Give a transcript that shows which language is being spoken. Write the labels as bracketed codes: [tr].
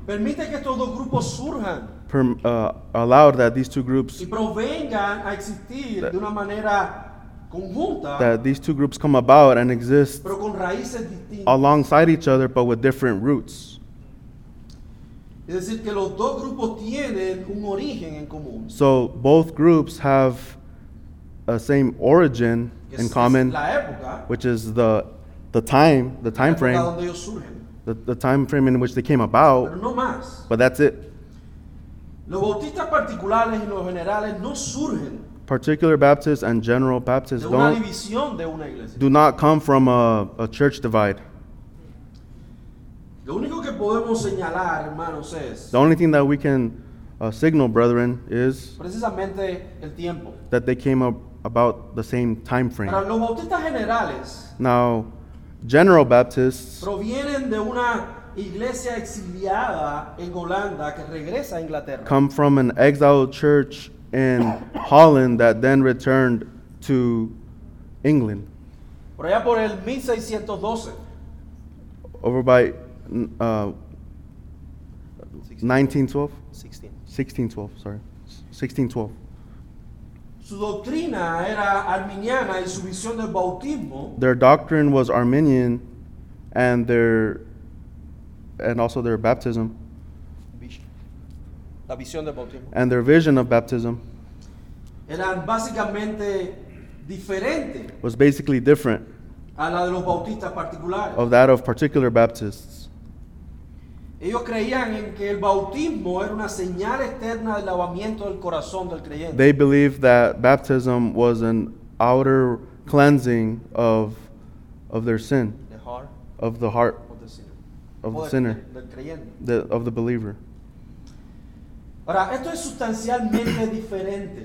[es] Permite que estos dos grupos surjan. [en] Allowed that these two groups [es] y provengan a existir de una manera conjunta. [en] That these two groups come about and exist [es] pero con raíces distintas. [en] Alongside each other but with different roots. [es] Es decir, que los dos grupos tienen un origen en común. [en] So both groups have a same origin in common, [es] la época, [en] which is the time frame, [es] donde ellos surgen. [en] The time frame in which they came about, [es] pero no más. [en] But that's it. [es] Los bautistas particulares y los generales no surgen. [en] Particular Baptists and General Baptists [es] de una división de una iglesia. [en] Do not come from a church divide. [es] Lo único que podemos señalar, hermanos, es [en] the only thing that we can signal, brethren, is [es] precisamente el tiempo. [en] That they came up about the same time frame. [es] Para los bautistas generales, [en] now, General Baptists [es] provienen de una iglesia exiliada en Holanda que regresa a Inglaterra. [en] Come from an exiled church in Holland that then returned to England. [es] Por allá por el 1612. [en] Over by 1612. [es] Su doctrina era arminiana y su visión del bautismo. [en] Their doctrine was Arminian and also their baptism. [es] La visión del bautismo. [en] And their vision of baptism. [es] Eran básicamente diferente. [en] Was basically different. [es] A la de los bautistas particulares. [en] Of that of particular Baptists. [es] Ellos creían en que el bautismo era una señal externa del lavamiento del corazón del creyente. [en] They believed that baptism was an outer cleansing of their sin. The heart. Of the heart. Of the sinner, [es] del [en] of the believer. [es] Ahora, esto es sustancialmente diferente.